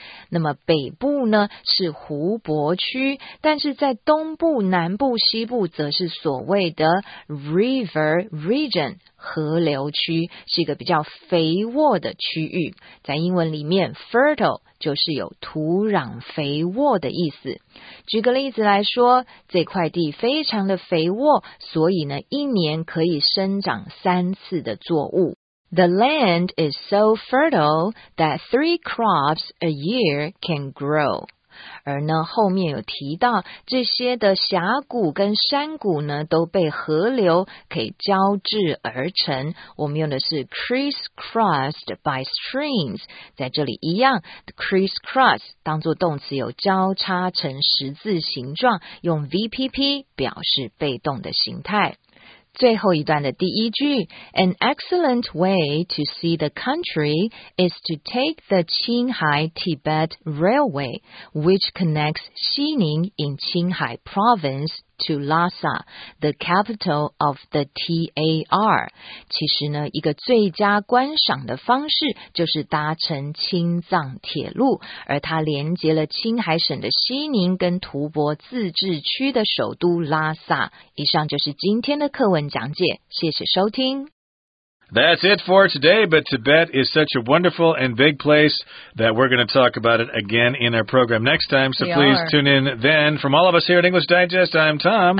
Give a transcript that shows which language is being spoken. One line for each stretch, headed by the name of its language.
Chinese: 那么北部呢是湖泊区，但是在东部、南部、西部则是所谓的
English: river region,
Chinese: 河流区，是一个比较肥沃的区域。在英文里面 fertile 就是有土壤肥沃的意思。举个例子来说，这块地非常的肥沃，所以呢一年可以生长三次的作物。
English: The land is so fertile that three crops a year can grow.
Chinese: 而呢，后面有提到，这些的峡谷跟山谷呢，都被河流可以交织而成。我们用的是
English: crisscrossed by streams.
Chinese: 在这里一样 ,crisscross 当作动词有交叉成十字形状，用 VPP 表示被动的形态。最后一段的第一句
English: An excellent way to see the country is to take the Qinghai-Tibet Railway, which connects Xining in Qinghai Province to Lhasa, the capital of the TAR.
Chinese: 其实呢，一个最佳观赏的方式就是搭乘青藏铁路，而它连接了青海省的西宁跟吐蕃自治区的首都拉萨。以上就是今天的课文讲解，谢谢收听。
English: That's it for today, but Tibet is such a wonderful and big place that we're going to talk about it again in our program next time, so please tune in then. From all of us here at English Digest, I'm Tom.